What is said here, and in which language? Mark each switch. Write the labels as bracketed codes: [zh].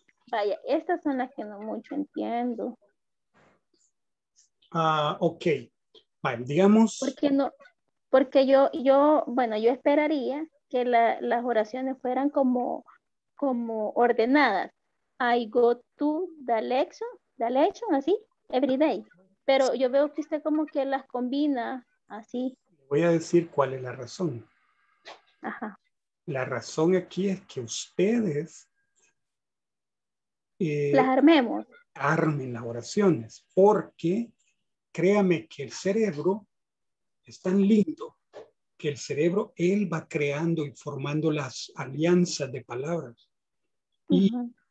[es] Vaya, estas son las que no mucho entiendo. Ok. Bueno, digamos. Porque yo esperaría que las oraciones fueran como ordenadas. [en] I go to the lesson, así, every day. [es] Pero yo veo que usted como que las combina así. Voy a decir cuál es la razón. Ajá. La razón aquí es que ustedes... las armemos. Armen las oraciones. Porque créame que el cerebro es tan lindo que el cerebro, él va creando y formando las alianzas de palabras. Y uh-huh.